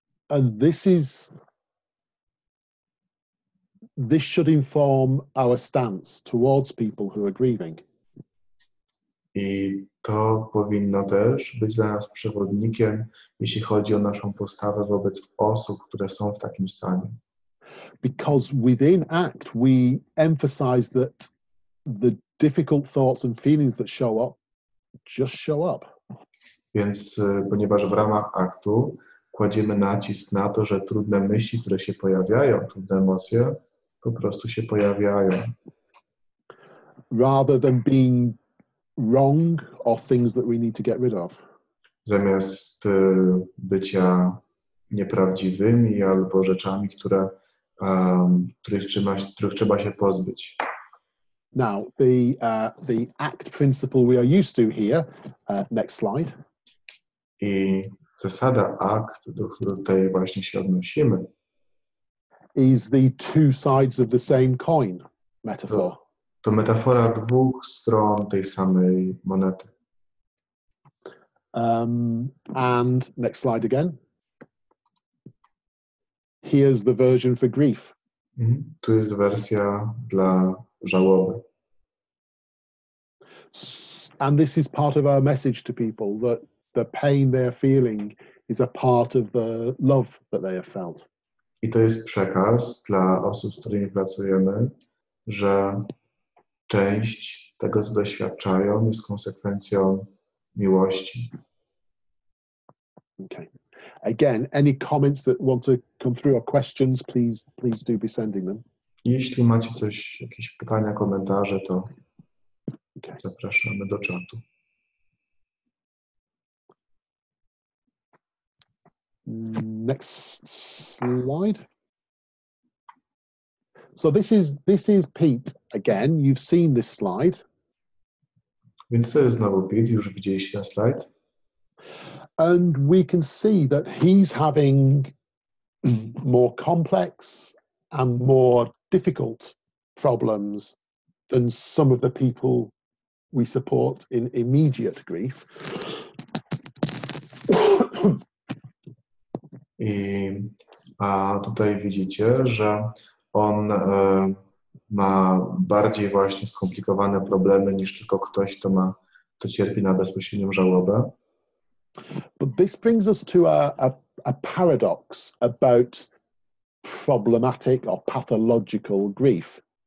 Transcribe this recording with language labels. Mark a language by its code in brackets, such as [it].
[en] And this should inform our stance towards people who are grieving. [pl] I to powinno też być dla nas przewodnikiem, jeśli chodzi o naszą postawę wobec osób, które są w takim stanie. [en] Because within ACT we emphasize that the difficult thoughts and feelings that show up just show up. [pl] Więc ponieważ w ramach ACT-u kładziemy nacisk na to, że trudne myśli, które się pojawiają, trudne emocje, po prostu się pojawiają. [en] Rather than being wrong or things that we need to get rid of. [pl] Zamiast bycia nieprawdziwymi albo rzeczami, których trzeba się pozbyć. [en] Now, the ACT principle we are used to here, next slide. [pl] I zasada ACT, do której właśnie się odnosimy, [en] is the two sides of the same coin metaphor. [pl] To metafora dwóch stron tej samej monety. [en] And next slide again. Here's the version for grief. [pl] Tu jest wersja dla żałoby. [en] And this is part of our message to people, that the pain they're feeling is a part of the love that they have felt. [pl] I to jest przekaz dla osób, z którymi pracujemy, że część tego, co doświadczają, jest konsekwencją miłości. [en] Okay. Again, any comments that want to come through or questions, please do be sending them. [pl] Jeśli macie coś, jakieś pytania, komentarze, to zapraszamy do czatu. [en] Next slide. So this is Pete again. You've seen this slide. [pl] Więc to jest znowu Pete, już widzieliście ten slajd. [en] And we can see that he's having more complex and more difficult problems than some of the people we support in immediate grief. [pl] I tutaj widzicie, że on ma bardziej właśnie skomplikowane problemy niż tylko ktoś, kto cierpi na bezpośrednią żałobę. [en] But this brings us to a paradox about problematic or pathological grief.